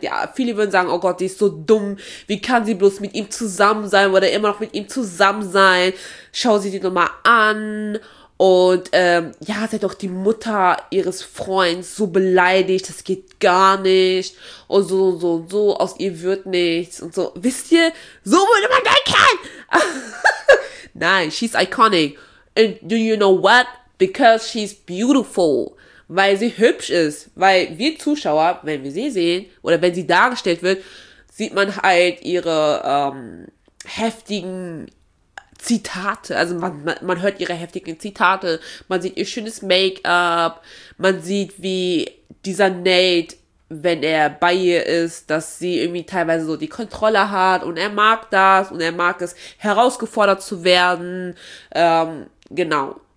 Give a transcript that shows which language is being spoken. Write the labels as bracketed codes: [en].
[de] Ja, viele würden sagen, oh Gott, die ist so dumm, wie kann sie bloß mit ihm zusammen sein oder immer noch mit ihm zusammen sein, schau sie dir nochmal an. Und ja, sie hat doch die Mutter ihres Freunds so beleidigt, das geht gar nicht. Und so und so und so, aus ihr wird nichts und so. Wisst ihr, so würde man denken! Nein, [en] she's iconic. And do you know what? Because she's beautiful. [de] Weil sie hübsch ist. Weil wir Zuschauer, wenn wir sie sehen oder wenn sie dargestellt wird, sieht man halt ihre heftigen Zitate, also man hört ihre heftigen Zitate, man sieht ihr schönes Make-up, man sieht, wie dieser Nate, wenn er bei ihr ist, dass sie irgendwie teilweise so die Kontrolle hat und er mag das und er mag es, herausgefordert zu werden, genau.